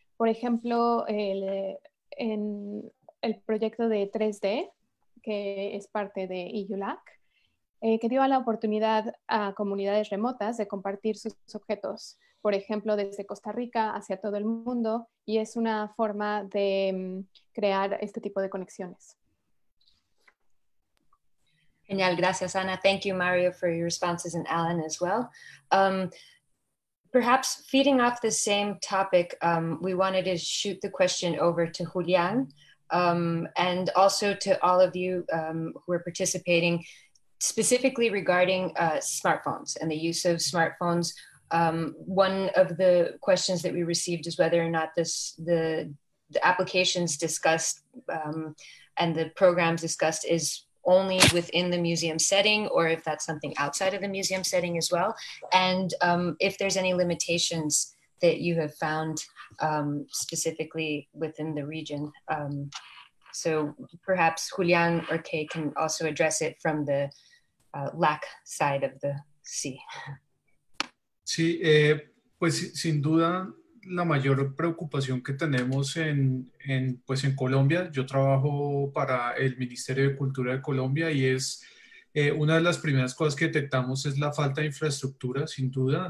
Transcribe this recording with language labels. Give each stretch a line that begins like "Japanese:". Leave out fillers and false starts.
Spanish: Por ejemplo, en el proyecto de 3D, que es parte de EU-LAC, que dio la oportunidad a comunidades remotas de compartir sus objetos, por ejemplo, desde Costa Rica hacia todo el mundo, y es una forma de crear este tipo de conexiones. Genial, gracias, Ana.
English: Thank you, Mario, for your responses, and Alan as well. Perhaps feeding off the same topic, we wanted to shoot the question over to Julian, and also to all of you who are participating, specifically regarding smartphones and the use of smartphones. One of the questions that we received is whether or not the applications discussed and the programs discussed is only within the museum setting, or if that's something outside of the museum setting as well, and if there's any limitations that you have found specifically within the region. So perhaps Julian or Kay can also address it from the LAC side of the sea.
Spanish: Sí, pues sin duda la mayor preocupación que tenemos en Colombia, yo trabajo para el Ministerio de Cultura de Colombia y es una de las primeras cosas que detectamos es la falta de infraestructura, sin duda.